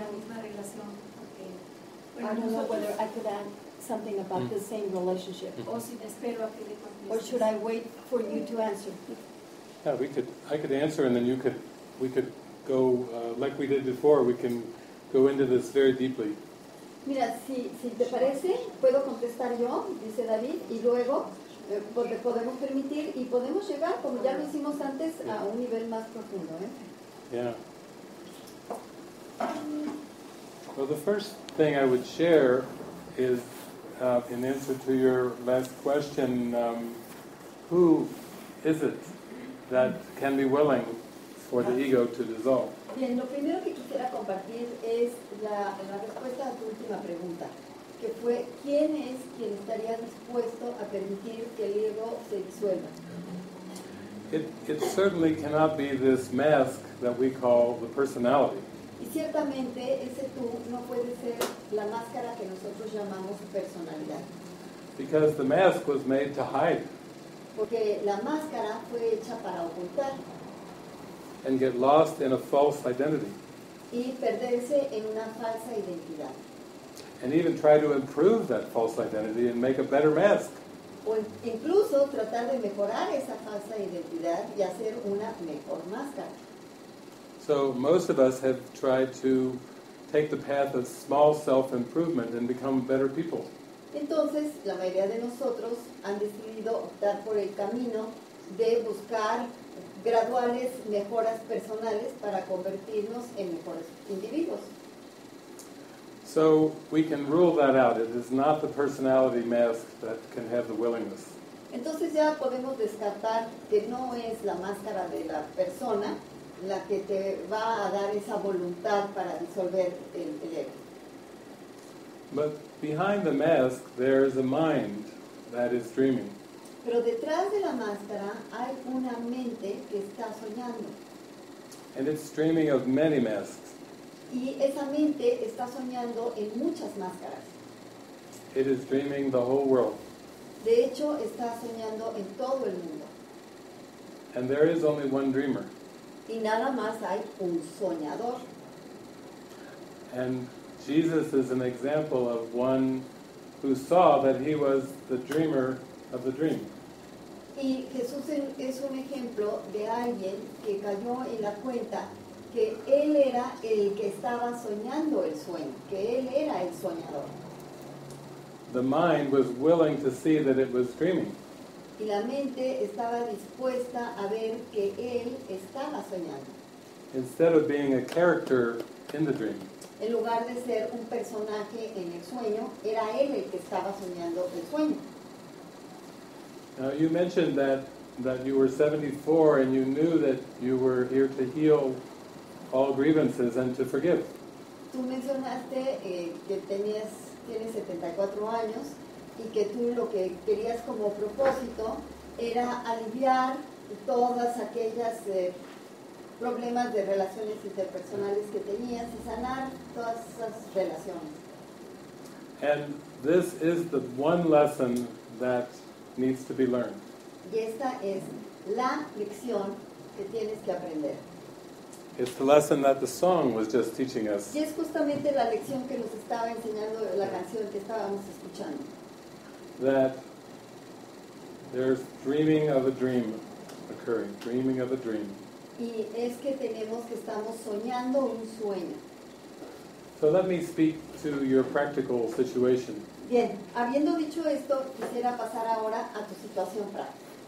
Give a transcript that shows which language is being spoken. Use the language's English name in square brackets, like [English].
[English] I don't know whether I could add something about the same relationship. Or should I wait for you to answer? Yeah, I could answer, and then we could go like we did before. We can go into this very deeply. [Spanish] Mira, si te parece, puedo contestar yo, dice David, y luego. Porque podemos permitir y podemos llegar, como ya lo hicimos antes, a un nivel más profundo, ¿eh? [English] Yeah. Well, the first thing I would share is in answer to your last question, who is it that can be willing for the ego to dissolve? [Spanish] Bien, lo primero que quisiera compartir es la respuesta a tu última pregunta. Que fue, ¿quién es quien estaría dispuesto a permitir que el ego se disuelva? [English] It certainly cannot be this mask that we call the personality. [Spanish] Y ciertamente ese tú no puede ser la máscara que nosotros llamamos personalidad. [English] Because the mask was made to hide. [Spanish] Porque la máscara fue hecha para ocultar. [English] And get lost in a false identity. [Spanish] Y perderse en una falsa identidad. [English] And even try to improve that false identity and make a better mask. [Spanish] O incluso tratar de mejorar esa falsa identidad y hacer una mejor máscara. [English] So most of us have tried to take the path of small self-improvement and become better people. [Spanish] Entonces, la mayoría de nosotros han decidido optar por el camino de buscar graduales mejoras personales para convertirnos en mejores individuos. [English] So we can rule that out. It is not the personality mask that can have the willingness. [Spanish] Entonces ya podemos descartar que no es la máscara de la persona la que te va a dar esa voluntad para disolver el ego. [English] But behind the mask, there is a mind that is dreaming. [Spanish] Pero detrás de la máscara hay una mente que está soñando. [English] And it's dreaming of many masks. [Spanish] Y esa mente está soñando en muchas máscaras. [English] It is dreaming the whole world. [Spanish] De hecho, está soñando en todo el mundo. [English] And there is only one dreamer. [Spanish] Y nada más hay un soñador. [English] And Jesus is an example of one who saw that he was the dreamer of the dream. [Spanish] Y Jesús es un ejemplo de alguien que cayó en la cuenta que él era el que estaba soñando el sueño, que él era el soñador. [English] The mind was willing to see that it was dreaming. [Spanish] Y la mente estaba dispuesta a ver que él estaba soñando. [English] Instead of being a character in the dream. [Spanish] En lugar de ser un personaje en el sueño, era él el que estaba soñando el sueño. [English] Now you mentioned that you were 74 and you knew that you were here to heal all grievances and to forgive. [Spanish] Tú mencionaste que tienes 74 años y que tú lo que querías como propósito era aliviar todas aquellas problemas de relaciones interpersonales que tenías y sanar todas esas relaciones. [English] And this is the one lesson that needs to be learned. [Spanish] Y esta es la lección que tienes que aprender. [English] It's the lesson that the song was just teaching us. [Spanish] Y es justamente la lección que nos estaba enseñando la canción que estábamos escuchando. [English] That there's dreaming of a dream occurring, dreaming of a dream. [Spanish] Y es que tenemos que estamos soñando un sueño. [English] So let me speak to your practical situation. [Spanish] Bien, habiendo dicho esto, quisiera pasar ahora a tu situación práctica.